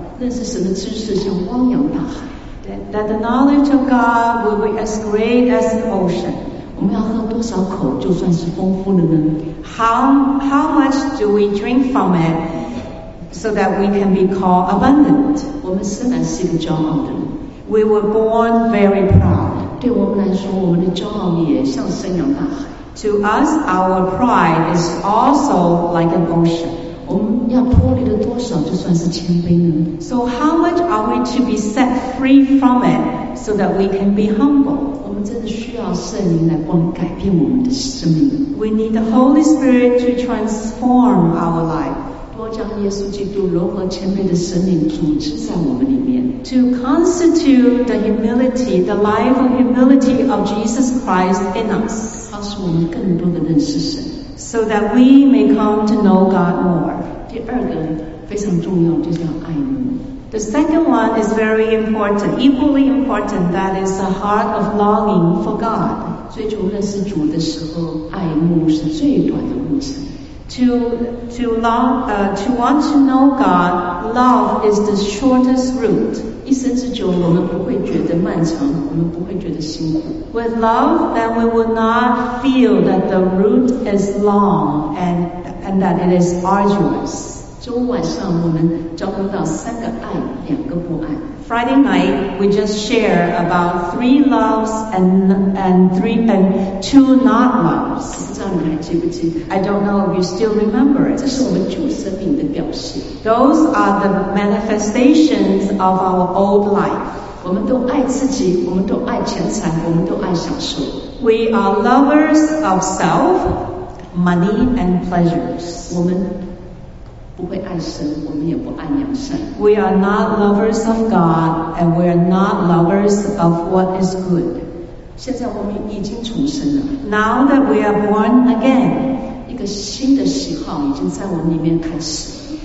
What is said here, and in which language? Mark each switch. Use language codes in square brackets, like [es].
[zh] 认识神的知识像汪洋大海。 [en] That the knowledge of God will be as great as the ocean. [zh] 我们要喝多少口就算是丰富了呢 [en] ？How much do we drink from it? So that we can be called abundant. [zh] 我们生来是一个骄傲的人。 [en] We were born very proud. [zh] 对我们来说，我们的骄傲也像汪洋大海。 [en] To us, our pride is also like an ocean. [zh] 我们要脱离了多少就算是谦卑呢 [en] ？So how much are we to be set free from it so that we can be humble? [zh] 真的需要圣灵来帮改变我们的生命。 [en] We need the Holy Spirit to transform our life. [zh] 多将耶稣基督柔和谦卑的生命组织在我们里面 [en] To constitute the humility, the life of humility of Jesus Christ in us [zh] 好使我们更多的认识神 [en] So that we may come to know God more [zh] 第二个非常重要就是要爱人 [en] The second one is very important, equally important That is the heart of longing for God [zh] 追求认识主的时候爱慕是最短的路程 [en] To want to know God, love is the shortest route. [zh] 一生之久，我们不会觉得漫长，我们不会觉得辛苦。 [en] With love, then we will not feel that the route is long and that it is arduous. [zh] 周五晚上我们交通到三个爱，两个不爱。 [en] Friday night, we just share about three loves and two not loves. [zh] 不知道你还记不记得 [en] I don't know if you still remember it. [zh] 这是我们旧生命的表现。 [en] Those are the manifestations of our old life. [zh] 我们都爱自己，我们都爱钱财，我们都爱享受。 [en] We are lovers of self, money, and pleasures. [zh] 我们不会爱神，我们也不爱良善。 [en] We are not lovers of God, and we are not lovers of what is good. [zh] 现在我们已经重生了。 [en] Now that we are born again, [zh] 一个新的喜好已经在我们里面开始。